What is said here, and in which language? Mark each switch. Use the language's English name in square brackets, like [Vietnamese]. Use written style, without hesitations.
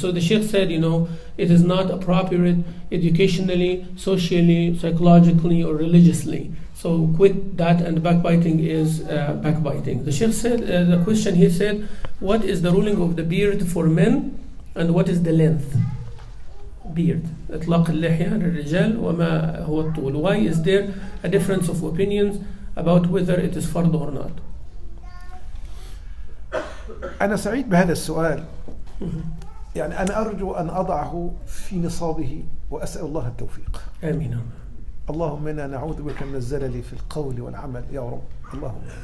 [English] So the Sheikh said, you know, it is not appropriate educationally, socially, psychologically, or religiously. So quit that, and backbiting is backbiting. The Sheikh said, the question he said, what is the ruling of the beard for men, and what is the length? Beard. [Arabic] إطلاق اللحية للرجال وما هو الطول. [English] Why is there a difference of opinions about whether it is fard or not? [Arabic] أنا سعيد بهذا السؤال. يعني أنا أرجو أن أضعه في نصابه وأسأل الله التوفيق. آمين. اللهم إنا نعوذ بك من الزلل في القول والعمل يا رب. اللهم.